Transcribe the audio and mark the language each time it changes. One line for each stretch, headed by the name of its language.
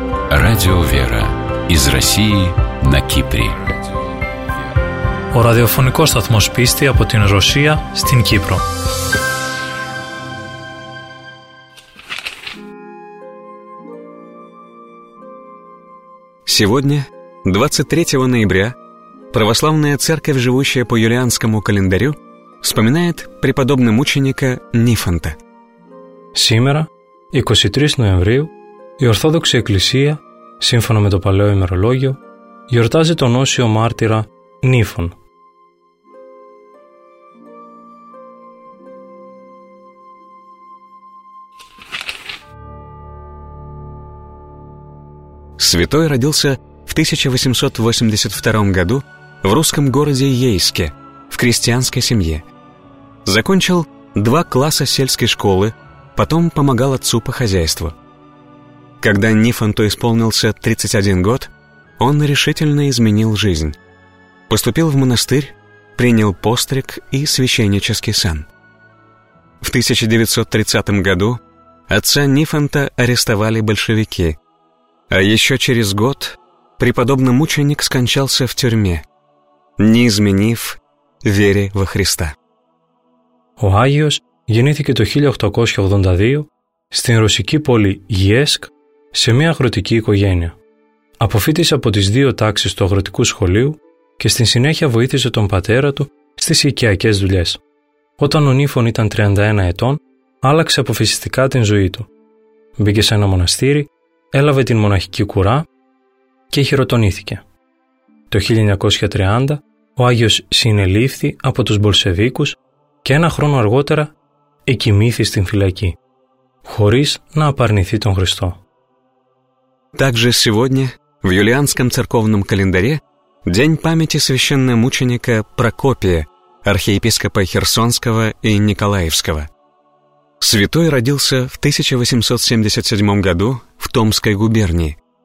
Russian: Радио «Вера» из России на Кипре.
Greek: Ο ραδιοφωνικός σταθμός πίστη από την Ρωσία στην Κύπρο.
Russian: Сегодня, 23 ноября, православная церковь, живущая по юлианскому календарю, вспоминает преподобного мученика Нифонта. Сегодня, 23 ноября,
Greek: η Ορθόδοξη Εκκλησία, σύμφωνα με το παλαιό ημερολόγιο, γιορτάζει τον Όσιο Μάρτυρα Νίφων.
Russian: Святой родился в 1882 году в русском городе Ейске, в крестьянской семье. Закончил два класса сельской школы, потом помогал отцу по хозяйству. Когда Нифонту исполнился 31 год, он решительно изменил жизнь. Поступил в монастырь, принял постриг и священнический сан. В 1930 году отца Нифонта арестовали большевики. А еще через год преподобный мученик скончался в тюрьме, не изменив вере во Христа.
Greek: Ο Άγιος γεννήθηκε το 1882 στην ρωσική πόλη Ейск σε μια αγροτική οικογένεια. Αποφύτησε από τις δύο τάξεις του αγροτικού σχολείου και στη συνέχεια βοήθησε τον πατέρα του στις οικιακές δουλειές. Όταν ο Νίφων ήταν 31 ετών, άλλαξε αποφασιστικά την ζωή του. Μπήκε σε ένα μοναστήρι, έλαβε την μοναχική κουρά και χειροτονήθηκε. Το 1930 ο Άγιος συνελήφθη από τους Μπολσεβίκους και ένα χρόνο αργότερα εκοιμήθη στην φυλακή, χωρίς να απαρνηθεί τον Χριστό.
Russian: Также сегодня в юлианском церковном календаре день памяти священномученика Прокопия, архиепископа Херсонского и Николаевского. Святой родился в 1877 году в Томской губернии.